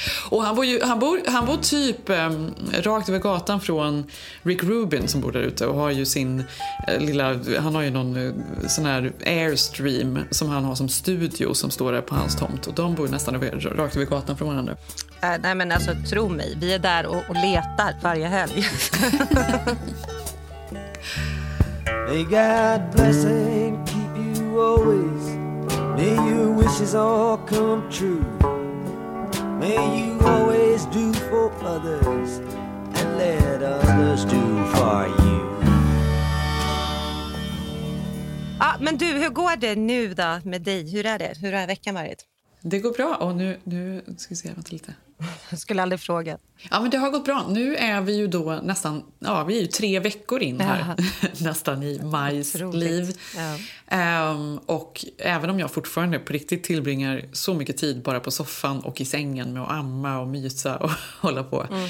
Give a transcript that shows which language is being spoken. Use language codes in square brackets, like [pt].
[sv] Och han bor ju, han bor typ rakt över gatan från Rick Rubin som bor där ute och har ju sin lilla, han har ju någon sån här Airstream som han har som studio som står där på hans tomt, och de bor ju nästan rakt över gatan från varandra. Nej men alltså, tro mig, vi är där och letar varje helg. [en] May God bless and keep you always. May your wishes all come true. May you always do for others and let others do for you. [sv] Ja, men du, hur går det nu då med dig? Hur är det? Hur har veckan varit? Det går bra, och nu ska vi se, vänta lite. Jag skulle aldrig fråga. Ja, men det har gått bra. Nu är vi ju då nästan, ja, vi är ju 3 veckor in här. Nästan i Majs liv. Ja. Och även om jag fortfarande på riktigt tillbringar så mycket tid bara på soffan och i sängen med att amma och mysa och hålla på.